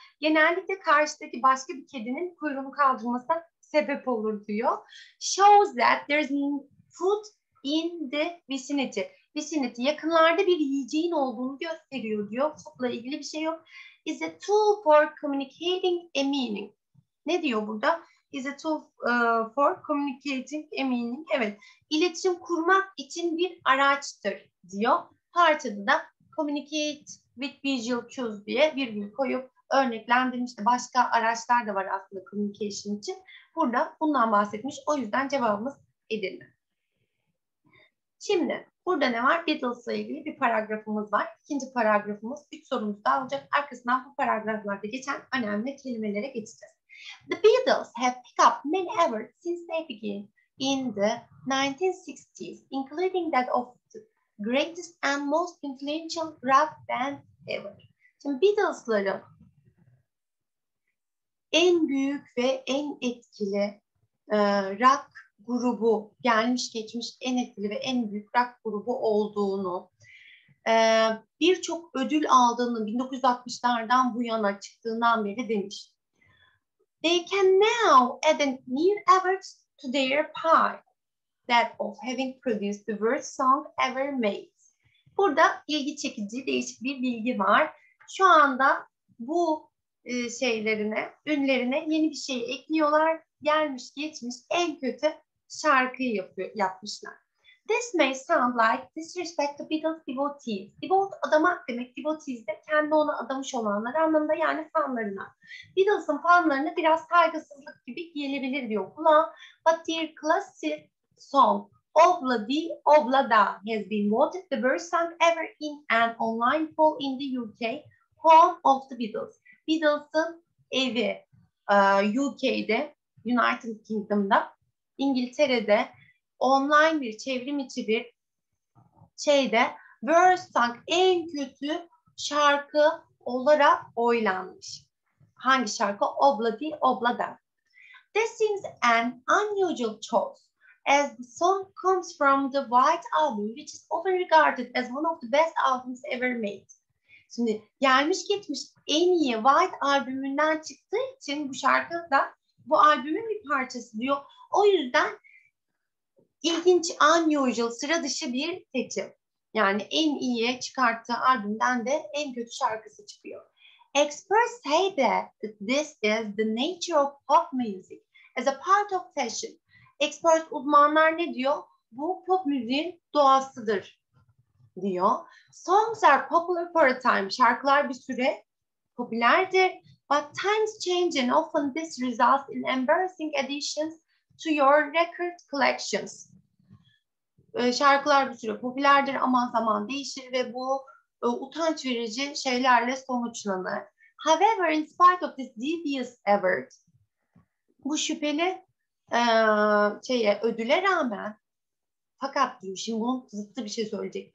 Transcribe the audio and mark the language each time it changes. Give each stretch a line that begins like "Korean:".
Turkish: Genellikle karşıdaki başka bir kedinin kuyruğunu kaldırmasına sebep olur diyor.
English: Shows that there is food in the vicinity.
Turkish: Vicinity yakınlarda bir yiyeceğin olduğunu gösteriyor diyor. Food'la ilgili bir şey yok.
English: Is a tool for communicating a meaning.
Turkish: Ne diyor burada?
English: Is a tool for communicating a meaning.
Turkish: Evet, iletişim kurmak için bir araçtır diyor. Parçada da
English: communicate with visual cues
Turkish: diye virgül koyup örneklendirmiş. Başka araçlar da var aslında communication için. Burada bundan bahsetmiş. O yüzden cevabımız Edirne. Şimdi burada ne var? Beatles'la ilgili bir paragrafımız var. İkinci paragrafımız. Üç sorumuz daha olacak. Arkasından bu paragraflarda geçen önemli kelimelere geçeceğiz.
English: The Beatles have picked up many efforts since they began in the 1960s, including that of the greatest and most influential rock band ever.
Turkish: Şimdi Beatles'ların en büyük ve en etkili rock grubu gelmiş geçmiş en etkili ve en büyük rock grubu olduğunu, birçok ödül aldığını 1960'lardan bu yana çıktığından beri demiş.
English: they can now add a new effort to their part, that of having produced the worst song ever made.
Turkish: Burada ilgi çekici değişik bir bilgi var. Şu anda bu şeylerine, ünlerine yeni bir şey ekliyorlar. Gelmiş geçmiş en kötü şarkıyı yapmışlar.
English: This may sound like disrespect to Beatles devotees.
Turkish: Devote adamak demek. Devotees de kendi ona adamış olanlar anlamında, yani fanlarına. Beatles'ın fanlarına biraz saygısızlık gibi gelebilir diyor kulağa.
English: But their classic song Obla di Obla da has been voted the worst song ever in an online poll in the UK, home of the Beatles.
Turkish: Beatles'ın evi UK'de, United Kingdom'da, İngiltere'de online bir çevrimiçi bir şeyde worst song, en kötü şarkı olarak oylanmış. Hangi şarkı? Obla di Obla da.
English: This seems an unusual choice, as the song comes from the White Album, which is often regarded as one of the best albums ever made.
Turkish: Şimdi gelmiş geçmiş en iyi White albümünden çıktığı için bu şarkı da bu albümün bir parçası diyor. O yüzden ilginç, unusual, sıra dışı bir seçim. Yani en iyi çıkarttığı albümden de en kötü şarkısı çıkıyor.
English: Experts say that this is the nature of pop music as a part of fashion.
Turkish: Expert uzmanlar ne diyor? Bu pop müziğin doğasıdır diyor.
English: Songs are popular for a time.
Turkish: Şarkılar bir süre popülerdir.
English: But times change and often this results in embarrassing additions to your record collections.
Turkish: Şarkılar bir süre popülerdir ama zaman değişir ve bu utanç verici şeylerle sonuçlanır.
English: However, in spite of this devious effort,
Turkish: bu şüpheli şeye, ödüle rağmen, fakat diyor, şimdi bunun zıttı bir şey söyleyecek.